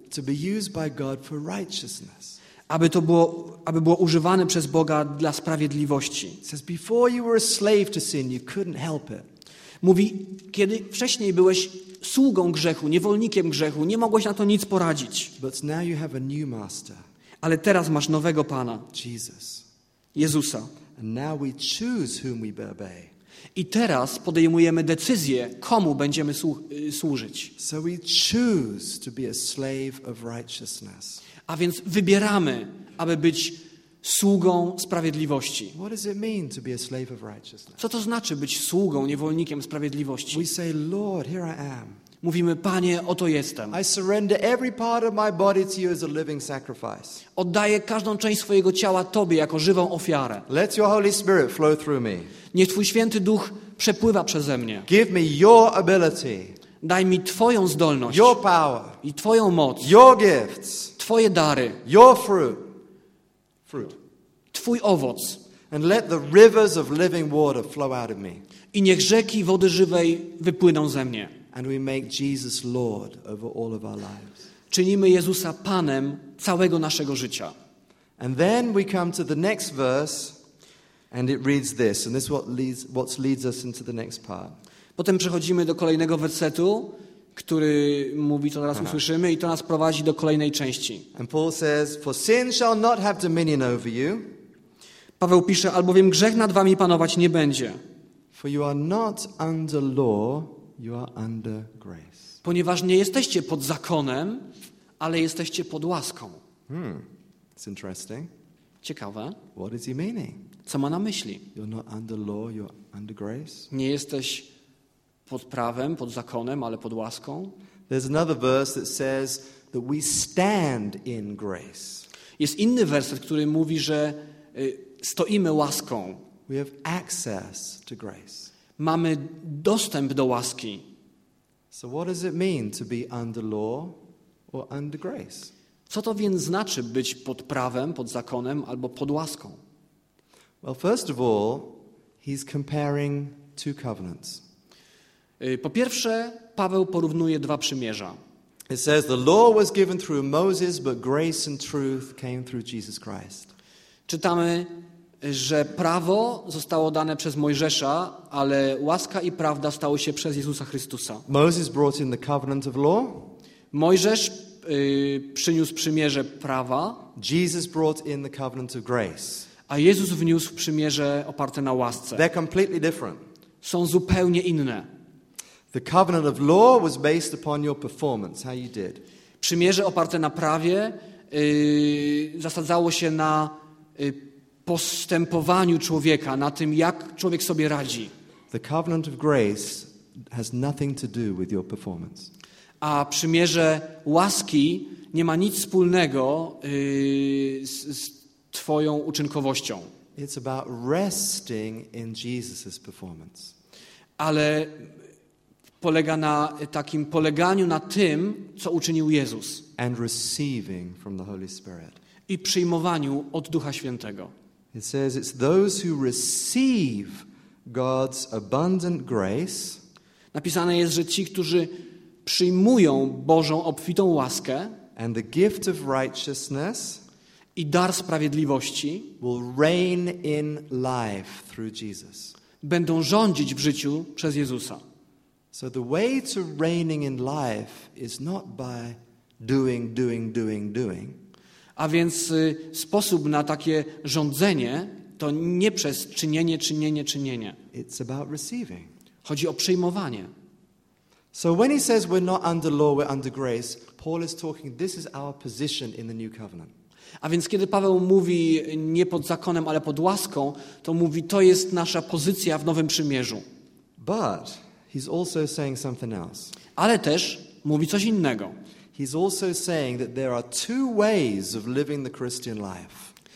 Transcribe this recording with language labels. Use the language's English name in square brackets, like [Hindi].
[English] To be used by God for righteousness. [Polish] Aby było używane przez Boga dla sprawiedliwości. [English] Says before you were a slave to sin, you couldn't help it. [Polish] Mówi, kiedy wcześniej byłeś sługą grzechu, niewolnikiem grzechu, nie mogłeś na to nic poradzić. [English] But now you have a new master. [Polish] Ale teraz masz nowego Pana. [English] Jesus. [Polish] Jezusa. [English] And now we choose whom we obey. [Polish] I teraz podejmujemy decyzję, komu będziemy służyć. [English] So we choose to be a slave of righteousness. [Polish] A więc wybieramy, aby być sługą sprawiedliwości. [English] What does it mean to be a slave of righteousness? [Polish] Co to znaczy być sługą, niewolnikiem sprawiedliwości? [English] We say, Lord, here I am. [Polish] Mówimy, Panie, oto jestem. [English] I surrender every part of my body to you as a living sacrifice. [Polish] Oddaję każdą część swojego ciała Tobie jako żywą ofiarę. [English] Let your Holy Spirit flow through me. [Polish] Niech Twój Święty Duch przepływa przeze mnie. [English] Give me your ability. [Polish] Daj mi Twoją zdolność. [English] Your power. [Polish] I Twoją moc. [English] Your gifts. [Polish] Twoje dary. [English] Your fruit. Fruit. [Polish] Twój owoc. [English] And let the rivers of living water flow out of me. [Polish] I niech rzeki wody żywej wypłyną ze mnie. [English] And we make Jesus Lord over all of our lives. [Polish] Czynimy Jezusa Panem całego naszego życia. [English] And then we come to the next verse, and it reads this, and this is what leads us into the next part. [Polish] Potem przechodzimy do kolejnego wersetu, który mówi, co teraz usłyszymy, i to nas prowadzi do kolejnej części. [English] And Paul says, for sin shall not have dominion over you. [Polish] Paweł pisze, albowiem grzech nad wami panować nie będzie. [English] For you are not under law. You are under grace. [Polish] Ponieważ nie jesteście pod zakonem, ale jesteście pod łaską. [English] It's interesting. [Polish] Ciekawe. [English] What is he meaning? [Polish] Co ma na myśli? [English] You're not under law, you're under grace. [Polish] Nie jesteś pod prawem, pod zakonem, ale pod łaską. [English] There's another verse that says that we stand in grace. [Polish] Jest inny werset, który mówi, że stoimy łaską. [English] We have access to grace. [Polish] Mamy dostęp do łaski. [English] So what does it mean to be under law or under grace? [Polish] Co to więc znaczy być pod prawem, pod zakonem albo pod łaską? [English] Well, first of all, he's comparing two covenants. [Polish] Po pierwsze, Paweł porównuje dwa przymierza. [English] It says the law was given through Moses, but grace and truth came through Jesus Christ. [Polish] Czytamy, że prawo zostało dane przez Mojżesza, ale łaska i prawda stały się przez Jezusa Chrystusa. [English] Moses brought in the covenant of law. [Polish] Mojżesz przyniósł przymierze prawa. [English] Jesus brought in the covenant of grace. [Polish] A Jezus wniósł przymierze oparte na łasce. [English] They're completely different. [Polish] Są zupełnie inne. [English] The covenant of law was based upon your performance, how you did. [Polish] Przymierze oparte na prawie zasadzało się na postępowaniu człowieka, na tym, jak człowiek sobie radzi. [English] The covenant of grace has nothing to do with your performance. [Polish] A przymierze łaski nie ma nic wspólnego z twoją uczynkowością. [English] It's about resting in Jesus's performance. [Polish] Ale polega na takim poleganiu na tym, co uczynił Jezus. [English] And receiving from the Holy Spirit. [Polish] I przyjmowaniu od Ducha Świętego. [English] It says it's those who receive God's abundant grace. [Polish] Napisane jest, że ci, którzy przyjmują Bożą obfitą łaskę, [English] and the gift of righteousness, [Polish] i dar sprawiedliwości, [English] will reign in life through Jesus. [Polish] Będą rządzić w życiu przez Jezusa. [English] So the way to reigning in life is not by doing, doing, doing, doing. [Polish] A więc sposób na takie rządzenie to nie przez czynienie, czynienie, czynienie. [English] It's about receiving. [Polish] Chodzi o przyjmowanie. [English] So when he says we're not under law, we're under grace, Paul is talking, this is our position in the new covenant. [Polish] A więc kiedy Paweł mówi nie pod zakonem, ale pod łaską, to mówi, to jest nasza pozycja w Nowym Przymierzu. [English] But he's also saying something else. [Polish] Ale też mówi coś innego. [English] He's also saying that there are two ways of living the Christian life.